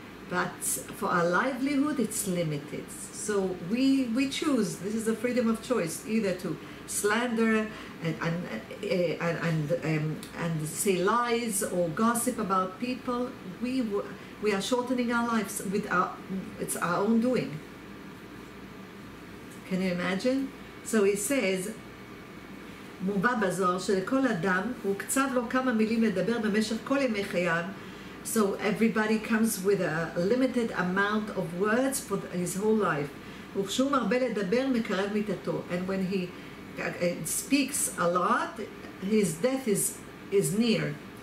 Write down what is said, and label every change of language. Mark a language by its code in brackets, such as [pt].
[en] But for our livelihood, it's limited. So we choose, this is a freedom of choice, either to slander and say lies or gossip about people. We are shortening our lives with it's our own doing. Can you imagine? So he says, [he] מובא בזוהר שלכל אדם הוא קצב לו כמה מילים לדבר במשך כל ימי חייו. [en] So everybody comes with a limited amount of words for his whole life. [he] וכשהוא מרבה לדבר מקרב מיתתו. [en] And when he speaks a lot, his death is near.